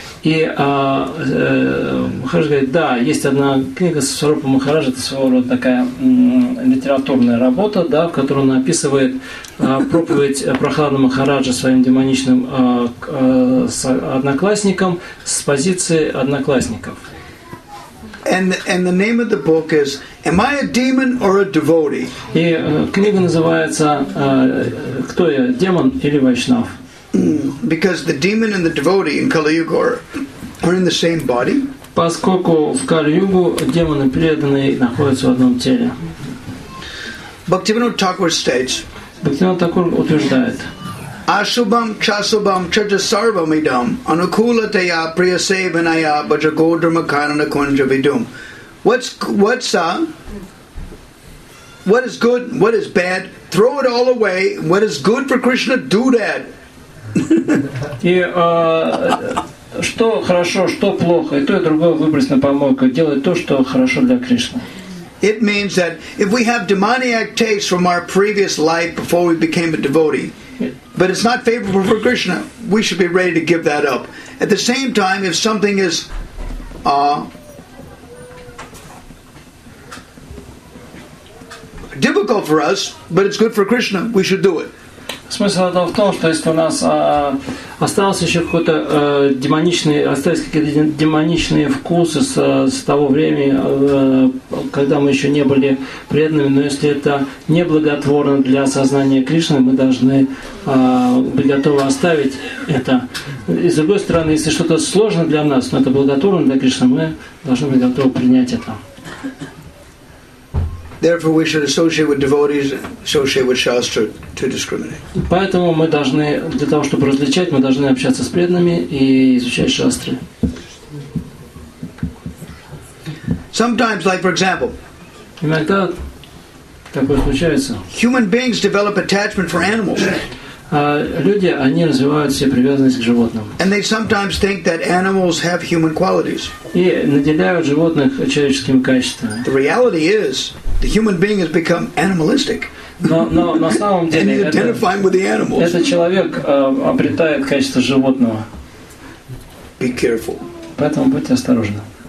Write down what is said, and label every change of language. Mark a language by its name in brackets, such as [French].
[Russian] И Махарадж говорит, да, есть одна книга Сварупа Махараджа, это своего рода такая литературная работа, да, в которой он описывает проповедь Прахлада Махараджа своим демоничным одноклассникам с позиции одноклассников. [English] And the name of the book is "Am I a Demon or a Devotee?" [Russian] И книга называется "Кто я, демон или вайшнав?" [English] Because the demon and the devotee in Kali Yuga are in the same body. [Russian] Поскольку в Кали-Югу демон и преданный находятся в одном теле. [English] Бхактивинода Тхакур states. [Russian] Бхактивинода Тхакур утверждает. [Sanskrit] Ashubham, chasubham, chajasarvam idam, anukulataya priyasevanaya bhajagodrama karana kunja vidum. [English] What is good, what is bad, throw it all away, what is good for Krishna, do that. [Russian] И что хорошо, что плохо, и то, и другое выбрось на помойку, делай то, что хорошо для Кришны. [English] It means that if we have demoniac tastes from our previous life before we became a devotee, but it's not favorable for Krishna, we should be ready to give that up. At the same time, if something is difficult for us, but it's good for Krishna, we should do it. [Russian] Смысл этого в том, что если у нас остался еще какой-то демоничный, остались какие-то демоничные вкусы с того времени, когда мы еще не были преданными, но если это неблаготворно для сознания Кришны, мы должны быть готовы оставить это. И с другой стороны, если что-то сложно для нас, но это благотворно для Кришны, мы должны быть готовы принять это. [English] Therefore, we should associate with devotees, associate with shastra to discriminate. [Russian] Поэтому мы должны для того, чтобы различать, мы должны общаться с преданными и изучать шастры. [English] Sometimes, like for example, [Russian] иногда такое случается. [English] Human beings develop attachment for animals. [Russian] Люди, они развивают себе привязанность к животным. [English] And they sometimes think that animals have human qualities. [Russian] И наделяют животных человеческими качествами. [English] The reality is. The human being has become animalistic. [Russian] Но на самом деле, [English] and he's identifying with the animals. [Russian] Этот человек обретает качество животного. [English] Be careful. [Russian] Поэтому будьте осторожны.